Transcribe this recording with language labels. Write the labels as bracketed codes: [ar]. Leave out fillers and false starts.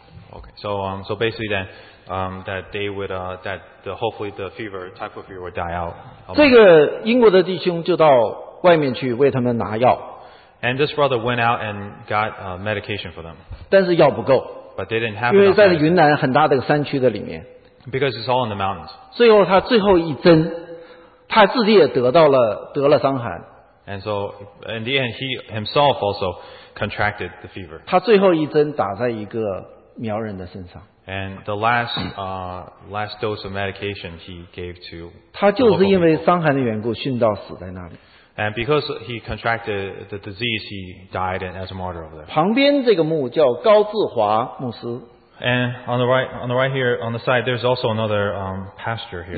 [en] Okay, so basically then that they would that the hopefully the fever type of fever would die out. [zh] 这个英国的弟兄就到外面去为他们拿药。 [en] And this brother went out and got medication for them. [zh] 但是药不够。 [en] But they didn't have enough. [zh] 因为在云南很大的山区的里面, [en] because it's all in the mountains. [zh] 最后他最后一针, 他自己也得了伤寒。 [en] And so in the end, he himself also contracted the fever. [zh] 他最后一针打在一个苗人的身上。 [en] And the last dose of medication he gave to. [zh] 他就是因为伤寒的缘故殉道死在那里。 [en] And because he contracted the disease, he died as a martyr over there. [zh] 旁边这个墓叫高志华牧师。 [en] And on the right here, on the side, there's also another pastor here.